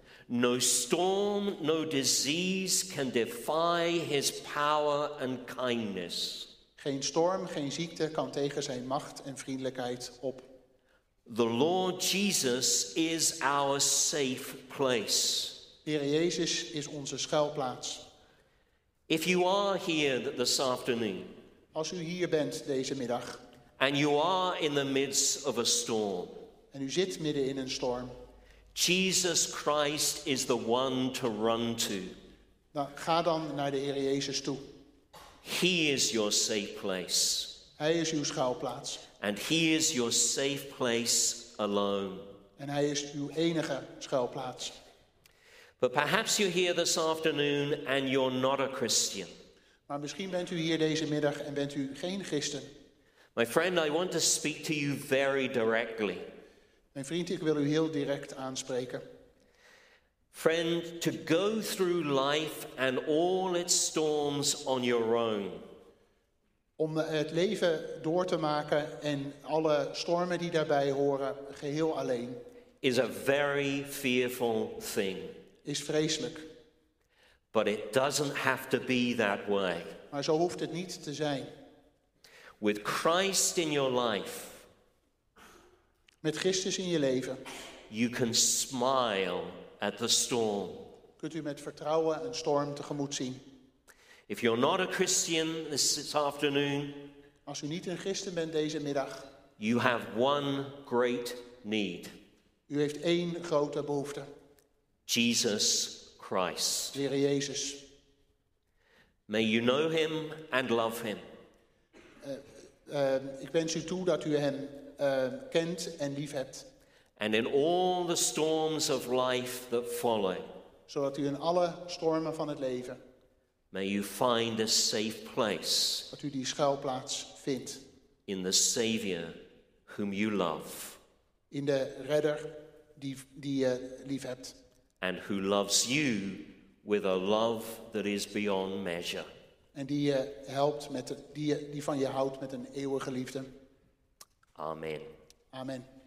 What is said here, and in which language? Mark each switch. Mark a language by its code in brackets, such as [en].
[en] No storm, no disease can defy his power and kindness. [nl] Geen storm, geen ziekte kan tegen zijn macht en vriendelijkheid op. [en] The Lord Jesus is our safe place. [nl] De Heer Jezus is onze schuilplaats. [en] If you are here this afternoon. [nl] Als u hier bent deze middag. [en] And you are in the midst of a storm. [nl] En u zit midden in een storm. [en] Jesus Christ is the one to run to. [nl] Nou, ga dan naar de Heer Jezus toe. [en] He is your safe place. [nl] Hij is uw schuilplaats. [en] And he is your safe place alone. [nl] En hij is uw enige schuilplaats. [en] But perhaps you're here this afternoon and you're not a Christian. [nl] Maar misschien bent u hier deze middag en bent u geen christen. [en] My friend, I want to speak to you very directly. [nl] Mijn vriend, ik wil u heel direct aanspreken. [en] Friend, to go through life and all its storms on your own. [nl] Om het leven door te maken en alle stormen die daarbij horen, geheel alleen. [en] Is a very fearful thing. [nl] Is vreselijk. [en] But it doesn't have to be that way. [nl] Maar zo hoeft het niet te zijn. [en] With Christ in your life. [nl] Met Christus in je leven. [en] You can smile at the storm. [nl] Kunt u met vertrouwen een storm tegemoet zien. [en] If you're not a Christian this afternoon. [nl] Als u niet een christen bent deze middag. [en] You have one great need. [nl] U heeft één grote behoefte. [en] Jesus Christ. [nl] De Heer Jezus. [en] May you know him and love him. [nl] Ik wens u toe dat u hem kent en lief hebt. [en] And in all the storms of life that follow. [nl] Zodat u in alle stormen van het leven. [en] May you find a safe place. [nl] Dat u die schuilplaats vindt. [en] In the Savior whom you love. [nl] In de redder die je lief hebt. [en] And who loves you with a love that is beyond measure. [nl] En die je helpt met die van je houdt met een eeuwige liefde. [en] Amen. [nl] Amen.